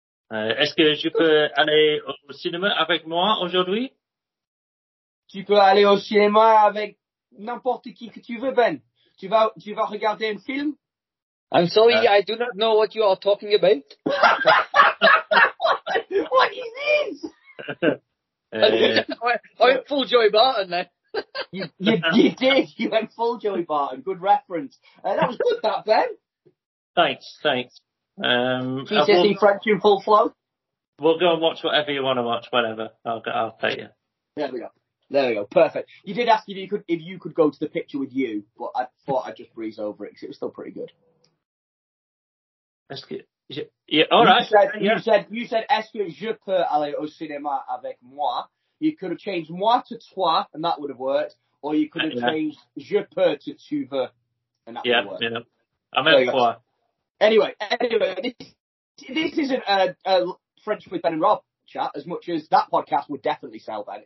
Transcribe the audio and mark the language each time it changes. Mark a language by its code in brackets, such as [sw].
[fr] Est-ce que je peux aller au cinéma avec moi aujourd'hui? Tu peux aller au cinéma avec n'importe qui que tu veux, Ben. Tu vas regarder un film? [en] I'm sorry, I do not know what you are talking about. What is this? I went full Joey Barton then. you went full Joey Barton. Good reference. That was good, that, Ben. Thanks. GCSE French in full flow? We'll go and watch whatever you want to watch, whatever. I'll pay you. There we go. Perfect. You did ask if you could go to the picture with you, but I thought I'd just breeze over it because it was still pretty good. You said [fr] est-ce que je peux aller au cinéma avec moi? [en] You could have changed moi to toi, and that would have worked, or you could have changed [fr] je peux [en] to [fr] tu veux. [en] and that yeah, work. Yeah, I meant so before. Anyway, this isn't a Friendship with Ben and Rob chat, as much as that podcast would definitely sell, Ben.